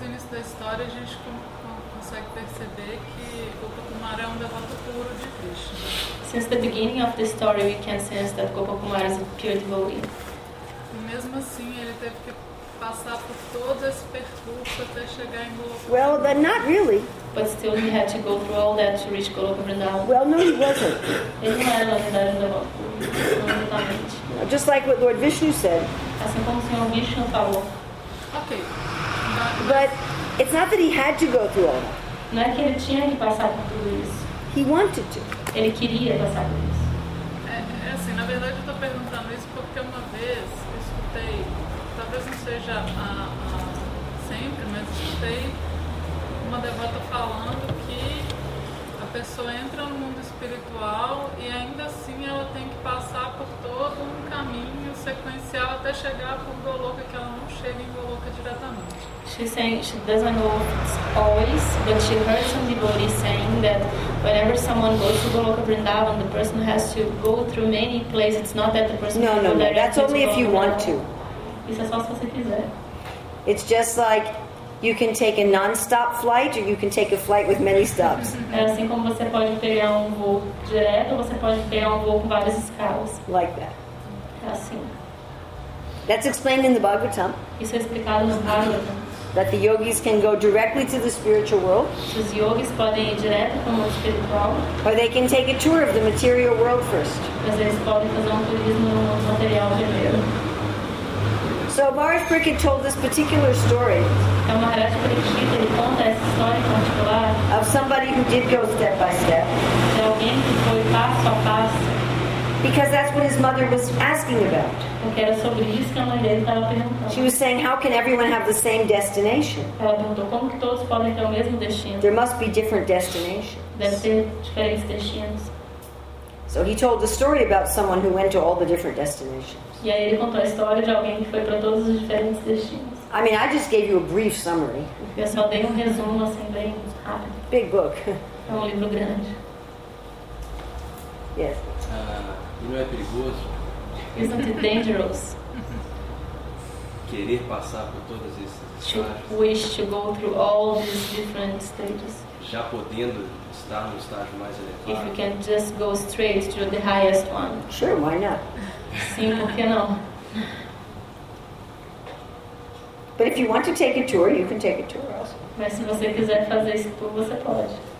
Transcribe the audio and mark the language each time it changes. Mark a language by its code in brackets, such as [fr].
[pt] Da história a gente consegue perceber que Gopakumar é um devoto puro de Krishna. [en] Since the beginning of the story we can sense that Gopakumar is a pure devotee. [pt] E mesmo assim ele teve que passar por todo esse percurso até chegar em Gopakumar. [en] Well, but not really. But still he had to go through all that to reach Gopakumar. Well, no, he wasn't. [pt] Ele não era um devoto puro. [en] Just like what Lord Vishnu said. [pt] Assim como o Senhor Vishnu falou. [en] Ok. But it's not that he had to go through all that. [pt] Não é que ele tinha que passar por tudo isso. [en] He wanted to. [pt] Ele queria passar por isso. É assim, na verdade eu tô perguntando isso porque uma vez eu escutei, talvez não seja sempre, mas escutei uma devota falando que a pessoa entra no mundo espiritual e ainda assim ela tem que passar por todo um caminho sequencial até chegar por Goloka, que ela não chega em Goloka diretamente. [en] She's saying she doesn't go always, but she heard some devotees saying that whenever someone goes to Goloka Vrindavan, the person has to go through many places. It's not that the person no, no, no. That's only if you want to. [pt] Isso é só se você quiser. [en] It's just like you can take a non-stop flight, or you can take a flight with many stops. [pt] É assim como você pode pegar voo direto, ou você pode pegar voo com várias escalas. [en] Like that. [pt] É assim. [en] That's explained in the Bhagavatam. [pt] Isso é explicado no Bhagavatam. [en] that the yogis can go directly to the spiritual world. [pt] Os yogis podem ir direto para o mundo espiritual. [en] Or they can take a tour of the material world first. [pt] Mas eles podem fazer um turismo no mundo material primeiro. [en] So Maharaj Parikshit told this particular story. [pt] Então Maharaj Parikshit, ele conta essa história em particular. [en] Of somebody who did go step by step. [pt] De alguém que foi passo a passo. [en] Because that's what his mother was asking about. [pt] Porque era sobre isso que a mãe dele estava perguntando. [en] She was saying, how can everyone have the same destination? [pt] Ela perguntou, como que todos podem ter o mesmo destino? [en] There must be different destinations. [pt] Deve ter diferentes destinos. [en] So he told the story about someone who went to all the different destinations. [pt] E aí ele contou a história de alguém que foi para todos os diferentes destinos. [en] I mean, I just gave you a brief summary. [pt] Eu só dei resumo assim bem rápido. [en] Big book. [pt] É livro grande. [en] Yes. [pt] Não é perigoso? [en] Isn't it dangerous? [pt] Querer passar por todas essas estágios. [en] Wish to go through all these different stages. [pt] Já podendo estar no estágio mais elevado. [en] If you can just go straight to the highest one. Sure, why not? [pt] Sim, por que não? [en] But if you want to take a tour, you can take a tour also. [pt] Mas se você quiser fazer esse tour, você pode.